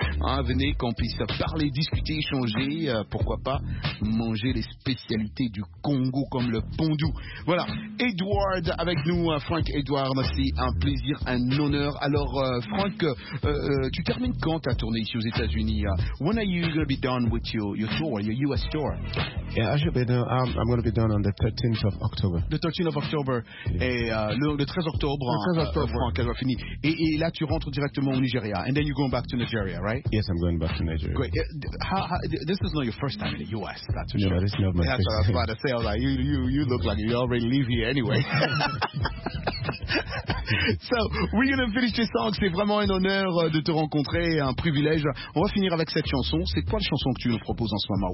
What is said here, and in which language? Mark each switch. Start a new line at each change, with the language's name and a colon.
French: Hein, venez qu'on puisse parler, discuter, échanger. Pourquoi pas manger les spécialités du Congo comme le pondu. Voilà. Edward avec nous, Frank Edward. Merci. été un plaisir, un honneur. Alors, Franck, tu termines quand ta tournée ici aux États-Unis?
English: When are you going to be done with your tour, your US tour? Yeah, I should be done. I'm going to be done on the 13th of October. The 13th of October. Yeah.
French: Et le 13 octobre, Franck, elle va finir. Et là, tu rentres directement au Nigeria.
English: And then you're going back to Nigeria, right? Yes, I'm going back to Nigeria. Great. This is not your first time in the US, that's for sure. No, this is not my first time. That's what I was about to say. I was like, you look like you already live here anyway. So, we're going to finish this song.
French: C'est vraiment un honneur de te rencontrer, un privilège. On va finir avec cette chanson. C'est quoi la chanson que tu nous proposes en ce moment?